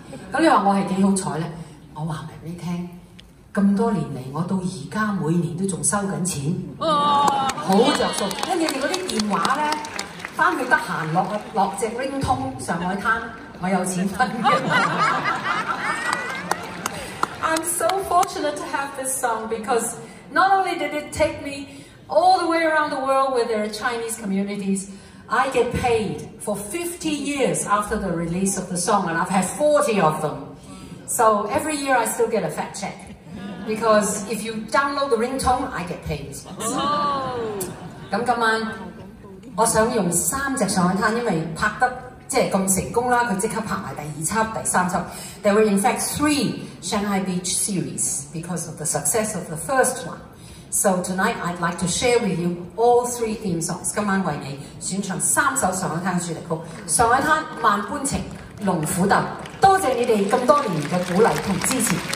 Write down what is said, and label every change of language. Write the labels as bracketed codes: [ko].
[yue] 那你說我是多好彩呢？我告訴你，咁多年嚟，我到而家每年都仲收緊錢，好著數。跟住你哋嗰啲電話咧，翻去得閒落隻 ring tone 上海灘，我有錢分嘅。 [en] I'm so fortunate to have this song because not only did it take me all the way around the world where there are Chinese communities, I get paid for 50 years after the release of the song, and I've had 40 of them. So every year I still get a fat check. Because if you download the ringtone, I get paid. Oh. [yue] 咁今晚我想用三隻上海灘，因為拍得即係咁成功啦，佢即刻拍埋第二輯、第三輯。 [en] There were in fact three Shanghai Beach series because of the success of the first one. So tonight I'd like to share with you all three theme songs. [yue] 今晚為你選唱三首上海灘主題曲：《上海灘》、《萬般情》、《龍虎鬥》。多謝你哋咁多年嘅鼓勵同支持。